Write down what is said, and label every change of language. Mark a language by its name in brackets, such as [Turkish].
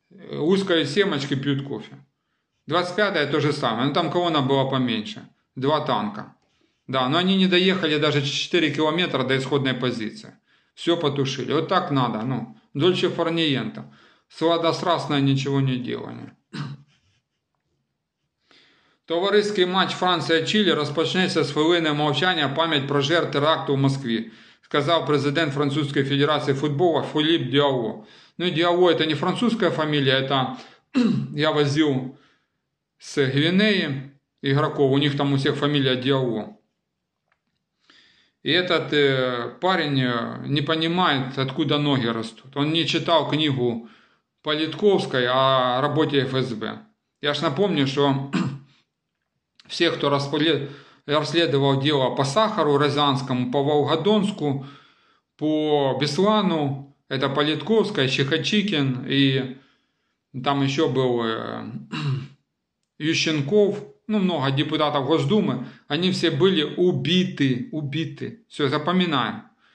[Russian] Узкой семечки пьют кофе. 25-е то же самое, но там колонна была поменьше. Два танка. Да, но они не доехали даже 4 километра до исходной позиции. Все потушили. Вот так надо, ну, дольче фарниента. Сладострастное ничего не делание. [Ukrainian] Товариський матч Франція-Чилі розпочнеться з хвилини мовчання в пам'ять про жертв теракту в Москві, сказав президент Французької Федерації футболу Філіп Діало. Ну, Діало – це не французька фамілія, це я возив з Гвінеї ігроків, у них там у всіх фамілія Діало. [Russian] І этот парень не понимает, откуда ноги растут. Он не читал книгу Политковской о работе ФСБ. Я ж напомню, что все, кто расследовал дело по Сахару Рязанскому, по Волгодонску, по Беслану, это Политковская, Чехачикин, и там еще был Ющенков, ну, много депутатов Госдумы, они все были убиты, убиты. Все, запоминаем.